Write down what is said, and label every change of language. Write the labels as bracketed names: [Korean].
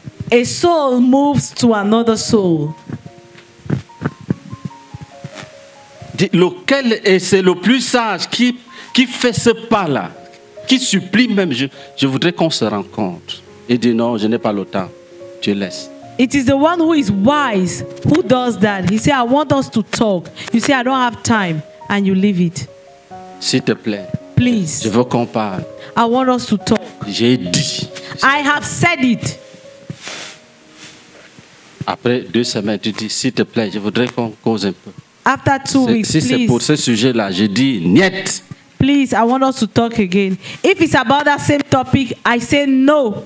[English] A soul moves to another soul. [French] Lequel est c'est le plus sage qui fait ce pas là, qui supplie même je voudrais qu'on se rencontre et dit non je n'ai pas le temps, tu laisses. [English] It is the one who is wise who does that. He say I want us to talk. You say I don't have time and you leave it. [French] S'il te plaît. [English] Please. [French] Je veux qu'on parle. [English] I want us to talk. [French] J'ai dit. [English] I have said it. [French] Après deux semaines, tu dis, s'il te plaît, je voudrais qu'on cause un peu. [English] After two [French] c'est, [English] weeks, [French] si [English] please. [French] Si c'est pour ce sujet-là, je dis, niet. [English] Please, I want us to talk again. If it's about that same topic, I say no.